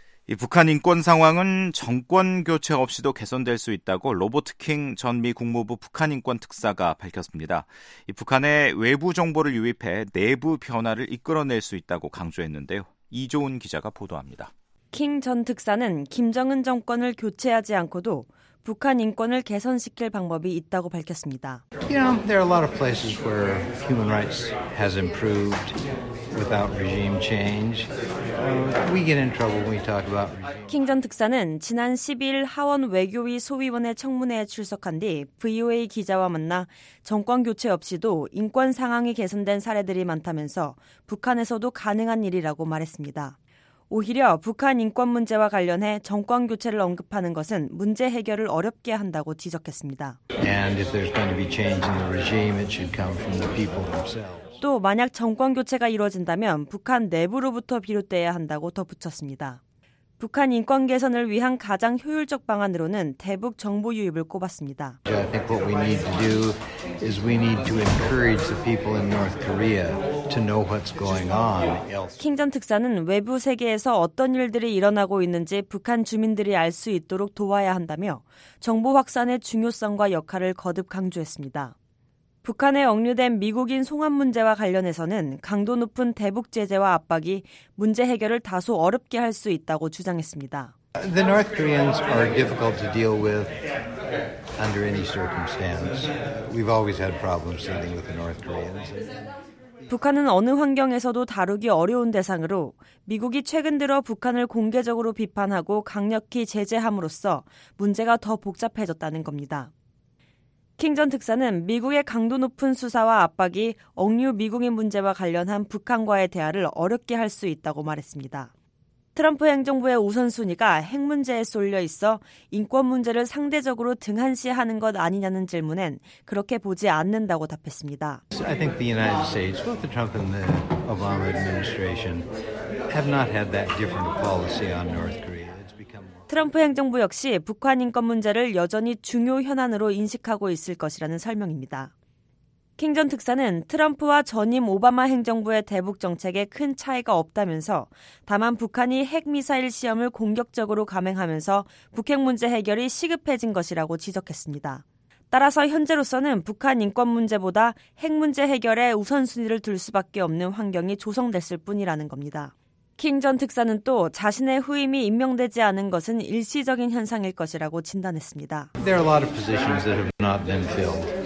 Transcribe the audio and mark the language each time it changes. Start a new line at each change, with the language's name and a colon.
Korean: 이 북한 인권 상황은 정권 교체 없이도 개선될 수 있다고 로버트 킹 전 미 국무부 북한 인권 특사가 밝혔습니다. 이 북한에 외부 정보를 유입해 내부 변화를 이끌어낼 수 있다고 강조했는데요. 이조은 기자가 보도합니다. 킹 전 특사는 김정은 정권을 교체하지 않고도 북한 인권을 개선시킬 방법이 있다고 밝혔습니다.
English: You know, there are a lot of places where human rights has improved without regime change. We get in trouble when we talk about.
Korean: 킹 전 특사는 지난 12일 하원 외교위 소위원회 청문회에 출석한 뒤 VOA 기자와 만나 정권 교체 없이도 인권 상황이 개선된 사례들이 많다면서 북한에서도 가능한 일이라고 말했습니다. 오히려 북한 인권 문제와 관련해 정권 교체를 언급하는 것은 문제 해결을 어렵게 한다고 지적했습니다.
English: And if there's going to be change in the regime, it should come from the people themselves.
Korean: 또 만약 정권 교체가 이루어진다면 북한 내부로부터 비롯돼야 한다고 덧붙였습니다. 북한 인권 개선을 위한 가장 효율적 방안으로는 대북 정보 유입을 꼽았습니다.
English: I think what we need to do is we need to encourage the people in North Korea to know what's going on.
Korean: 킹 전 특사는 외부 세계에서 어떤 일들이 일어나고 있는지 북한 주민들이 알 수 있도록 도와야 한다며 정보 확산의 중요성과 역할을 거듭 강조했습니다. 북한에 억류된 미국인 송환 문제와 관련해서는 강도 높은 대북 제재와 압박이 문제 해결을 다소 어렵게 할 수 있다고 주장했습니다.
English: The North Koreans are difficult to deal with under any circumstance. We've always had problems dealing with the North Koreans.
Korean: 북한은 어느 환경에서도 다루기 어려운 대상으로 미국이 최근 들어 북한을 공개적으로 비판하고 강력히 제재함으로써 문제가 더 복잡해졌다는 겁니다. 킹 전 특사는 미국의 강도 높은 수사와 압박이 억류 미국인 문제와 관련한 북한과의 대화를 어렵게 할 수 있다고 말했습니다. 트럼프 행정부의 우선순위가 핵 문제에 쏠려 있어 인권 문제를 상대적으로 등한시하는 것 아니냐는 질문엔 그렇게 보지 않는다고 답했습니다.
English: I think the United States, both the Trump and the Obama administration, have not had that different policy on North Korea.
Korean: 트럼프 행정부 역시 북한 인권 문제를 여전히 중요 현안으로 인식하고 있을 것이라는 설명입니다. 킹 전 특사는 트럼프와 전임 오바마 행정부의 대북 정책에 큰 차이가 없다면서 다만 북한이 핵미사일 시험을 공격적으로 감행하면서 북핵 문제 해결이 시급해진 것이라고 지적했습니다. 따라서 현재로서는 북한 인권 문제보다 핵 문제 해결에 우선순위를 둘 수밖에 없는 환경이 조성됐을 뿐이라는 겁니다. 킹 전 특사는 또 자신의 후임이 임명되지 않은 것은 일시적인 현상일 것이라고 진단했습니다.
English: There are a lot of positions that have not been filled.